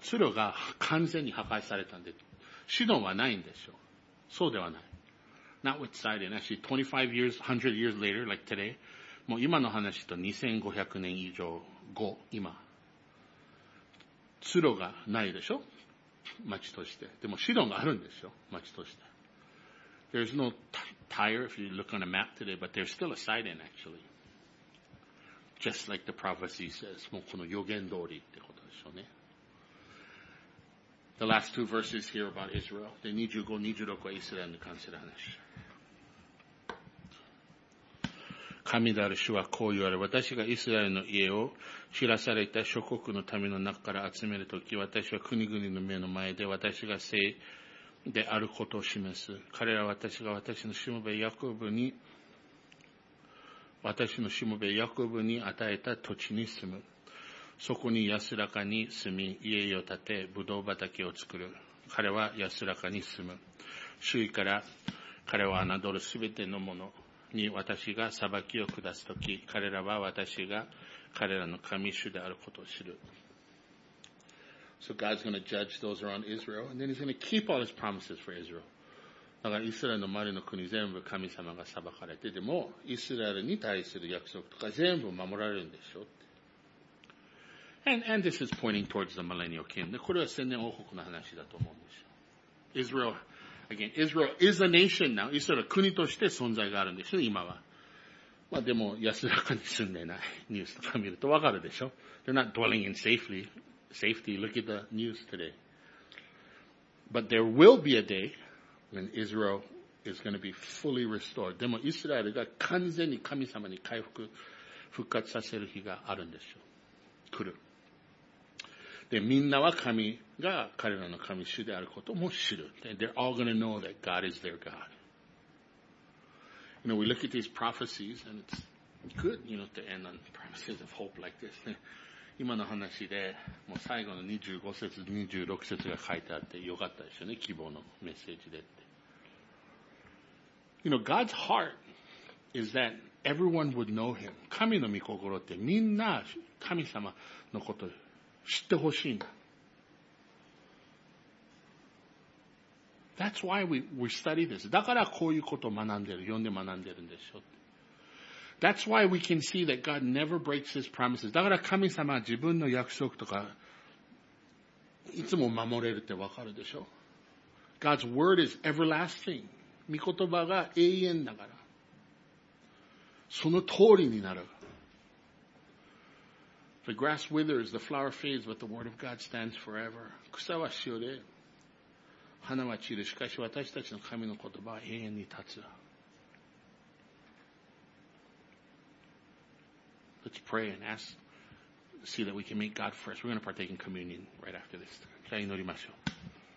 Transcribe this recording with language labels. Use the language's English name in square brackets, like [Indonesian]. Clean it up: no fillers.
[Japanese] ツルが完全に破壊されたんで、シドンはないんでしょう。そうではない。 [English] notwithstanding, actually 25 years, 100 years later, like today, [Japanese] もう今の話と2500年以上後、今。ツロがないでしょ町として。でもシドンがあるんですよ町として。 [English] There's no Tyre if you look on a map today, but there's still a Sidon actually. Just like the prophecy says. [Japanese] もうこの予言通りってことでしょうね。 [English] The last two verses here about Israel. [Japanese] で、25、26はイスラエルに関する話。神である主はこう言われ、私がイスラエルの家を知らされた諸国の民の中から集めるとき、私は国々の目の前で私が聖であることを示す。彼らは私が私のしもべヤコブに、私のしもべヤコブに与えた土地に住む。そこに安らかに住み、家を建て、ブドウ畑を作る。彼は安らかに住む。周囲から彼は侮るすべてのもの。に私が裁きを下すとき、彼らは私が彼らの神主であることを知る。 [English] So God's going to judge those around Israel, and then He's going to keep all His promises for Israel. [Japanese] だからイスラエルの周りの国全部神様が裁かれて、でもイスラエルに対する約束とか全部守られるんでしょう。 [English] And this is pointing towards the millennial kingdom. [Japanese] これは千年王国の話だと思うんですよ。 [English] Israel. Again, Israel is a nation now. [Japanese] イスラエル国として存在があるんですよ、今は。まあでも、安らかに住んでないニュースとか見るとわかるでしょ。 [English] They're not dwelling in safety. Look at the news today. But there will be a day when Israel is going to be fully restored. [Japanese] でも、イスラエルが完全に神様に回復、復活させる日があるんですよ。来る。で、みんなは神が彼らの神主であることも知る。 [English] They're all going to know that God is their God. You know, we look at these prophecies and it's good, you know, to end on promises of hope like this. [Japanese] 今の話で、もう最後の25節、26節が書いてあってよかったですよね、希望のメッセージでって。 [English] You know, God's heart is that everyone would know Him. [Japanese] 神の御心ってみんな神様のこと、知ってほしいんだ。 [English] That's why we study this. [Japanese] だからこういうことを学んでる、読んで学んでるんでしょ。 [English] That's why we can see that God never breaks His promises. [Japanese] だから神様は自分の約束とかいつも守れるってわかるでしょ。 [English] God's word is everlasting. [Japanese] 御言葉が永遠だから。その通りになる。 [English] The grass withers, the flower fades, but the word of God stands forever. [Japanese] 草はしおれ、花は散る、しかし私たちの神の言葉は永遠に立つ。 [English] Let's pray and ask, see that we can make God first. We're going to partake in communion right after this. [Japanese] じゃあ祈りましょう。